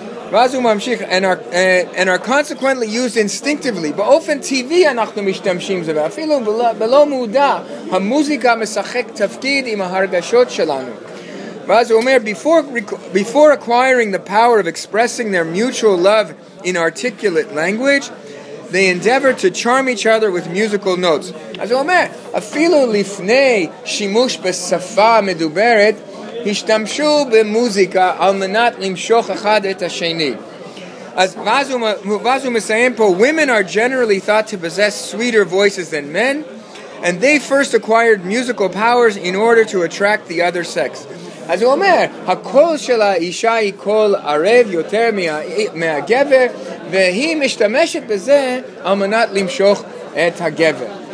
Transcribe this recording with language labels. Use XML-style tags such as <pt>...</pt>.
<he>ואז הוא ממשיך,</he> <en>and are consequently used instinctively.</en> <he>באופן טבעי אנחנו משתמשים זה, ואפילו בלא מודע, המוזיקה משחק תפקיד עם ההרגשות שלנו. ואז הוא אומר,</he> <en>before acquiring the power of expressing their mutual love in articulate language, they endeavor to charm each other with musical notes.</en> <he>אז הוא אומר, אפילו לפני שימוש בשפה מדוברת, השתמשו במוזיקה על מנת למשוך אחד את השני. אז ואז הוא מסיים פה,</he> <en>women are generally thought to possess sweeter voices than men, and they first acquired musical powers in order to attract the other sex.</en> <he>אז הוא אומר, הקול של האישה היא קול ערב יותר מהגבר, והיא משתמשת בזה על מנת למשוך את הגבר.</he>